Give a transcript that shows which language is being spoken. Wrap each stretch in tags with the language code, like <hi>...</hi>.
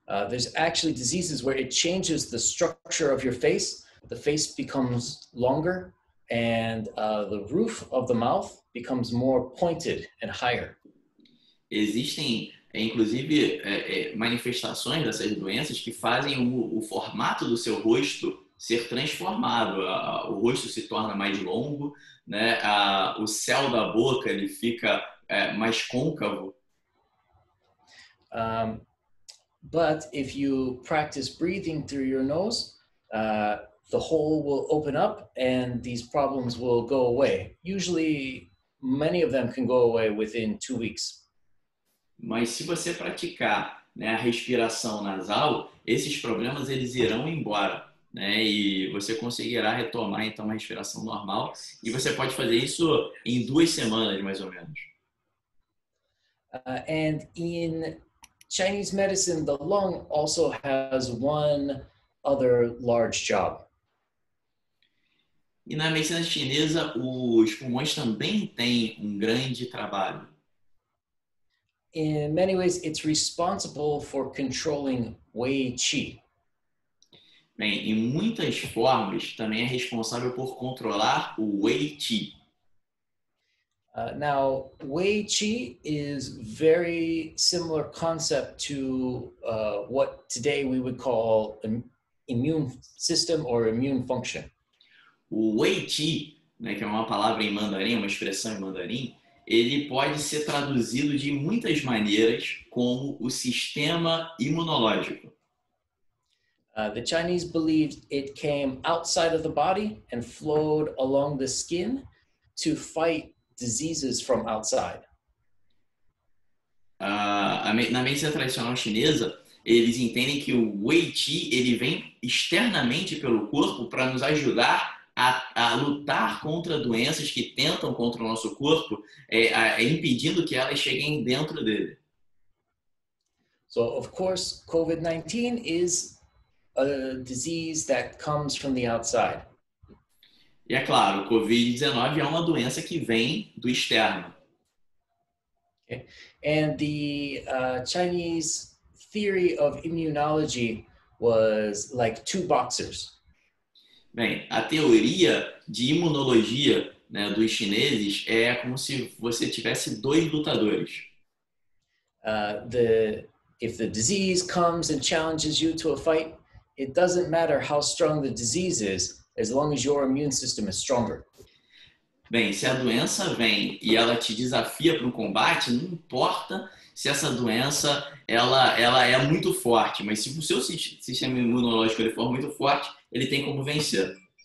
<en>There's actually diseases where it changes the structure of your face. The face becomes longer and the roof of the mouth becomes more pointed and higher.</en> <pt>Existem, inclusive, manifestações dessas doenças que fazem o formato do seu rosto ser transformado. O rosto se torna mais longo, né? O céu da boca ele fica mais côncavo.</pt> <en>But if you practice breathing through your nose, the hole will open up and these problems will go away. Usually, many of them can go away within 2 weeks.</en> <pt>Mas se você praticar, né, a respiração nasal, esses problemas eles irão embora, né? E você conseguirá retomar então a respiração normal. E você pode fazer isso em 2 semanas, mais ou menos.</pt> <en>And in Chinese medicine, the lung also has one other large job.</en> <pt>E na medicina chinesa, os pulmões também têm um grande trabalho.</pt> <en>In many ways, it's responsible for controlling Wei Qi.</en> <pt>Bem, em muitas formas, também é responsável por controlar o Wei Qi.</pt> <en>Now, Wei Qi is very similar concept to what today we would call an immune system or immune function.</en> <pt>O Wei Qi, né, que é uma palavra em mandarim, uma expressão em mandarim, ele pode ser traduzido de muitas maneiras como o sistema imunológico.</pt> <en>The Chinese believed it came outside of the body and flowed along the skin to fight diseases from outside.</en> <pt>Na medicina tradicional chinesa, eles entendem que o Wei Qi ele vem externamente pelo corpo para nos ajudar a lutar contra doenças que tentam contra o nosso corpo, impedindo que elas cheguem dentro dele.</pt> <en>So, of course, COVID-19 is a disease that comes from the outside.</en> <pt>E é claro, COVID-19 é uma doença que vem do externo.</pt> <en>Okay. And the Chinese theory of immunology was like two boxers.</en> <pt>Bem, a teoria de imunologia, né, dos chineses é como se você tivesse dois lutadores.</pt> <en>If the disease comes and challenges you to a fight, it doesn't matter how strong the disease is, as long as your immune system is stronger.</en> <pt>Bem, se a doença vem e ela te desafia para um combate, não importa se essa doença ela é muito forte, mas se o seu sistema imunológico ele for muito forte, ele tem como vencer.</pt>